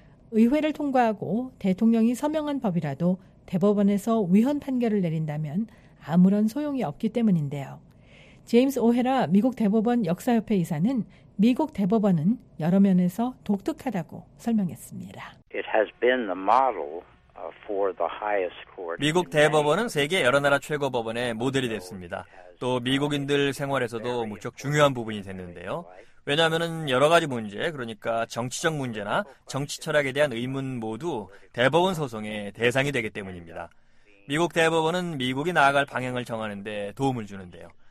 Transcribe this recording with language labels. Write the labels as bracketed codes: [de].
[ko] 의회를 통과하고 대통령이 서명한 법이라도 대법원에서 위헌 판결을 내린다면 아무런 소용이 없기 때문인데요. 제임스 오헤라 미국 대법원 역사협회 이사는 미국 대법원은 여러 면에서 독특하다고 설명했습니다. [en] It has been the model for the highest court. [ko] 미국 대법원은 세계 여러 나라 최고 법원의 모델이 됐습니다. 또 미국인들 생활에서도 무척 중요한 부분이 됐는데요. 왜냐하면 여러 가지 문제, 그러니까 정치적 문제나 정치 철학에 대한 의문 모두 대법원 소송의 대상이 되기 때문입니다. 미국 대법원은 미국이 나아갈 방향을 정하는 데 도움을 주는데요.